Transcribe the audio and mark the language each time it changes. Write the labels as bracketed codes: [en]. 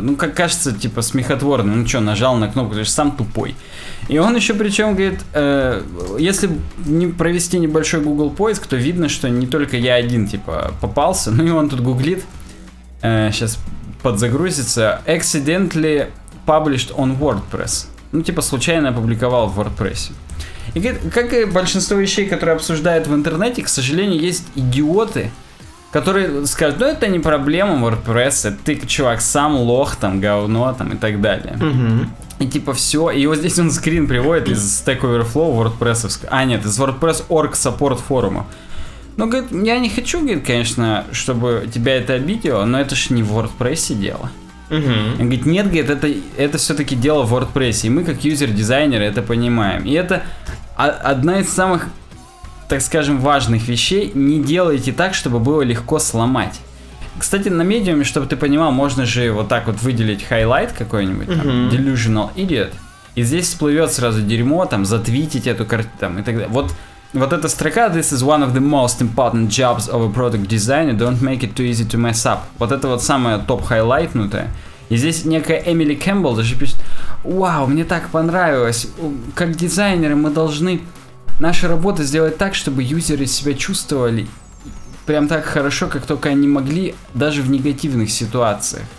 [ru] Ну, как кажется, типа, смехотворно. Ну что, нажал на кнопку, то есть сам тупой. И он еще причем говорит, если не провести небольшой Google поиск, то видно, что не только я один, типа, попался. Ну и он тут гуглит, сейчас подзагрузится. [en] Accidentally published on WordPress. [ru] Ну, типа, случайно опубликовал в WordPress. И говорит, как и большинство вещей, которые обсуждают в интернете, к сожалению, есть идиоты, которые скажут, ну это не проблема WordPress, ты, чувак, сам лох, там, говно, там, и так далее. И типа все, и вот здесь он скрин приводит из Stack Overflow WordPress, а нет, из WordPress.org support форума. Ну, говорит, я не хочу, говорит, конечно, чтобы тебя это обидело, но это ж не в WordPress дело. Он говорит, нет, говорит, это все-таки дело в WordPress, и мы как юзер-дизайнеры это понимаем. И это одна из самых, так скажем, важных вещей. Не делайте так, чтобы было легко сломать. Кстати, на медиуме, чтобы ты понимал, можно же вот так вот выделить highlight какой-нибудь, там, [en] delusional idiot, [ru] и здесь всплывет сразу дерьмо, там, затвитить эту картину, там, и так далее. Вот эта строка, [en] this is one of the most important jobs of a product designer, don't make it too easy to mess up. [ru] Вот это вот самое топ-хайлайтнутое. И здесь некая Эмили Кэмпбелл даже пишет, вау, мне так понравилось, как дизайнеры мы должны наши работы сделать так, чтобы юзеры себя чувствовали прям так хорошо, как только они могли, даже в негативных ситуациях.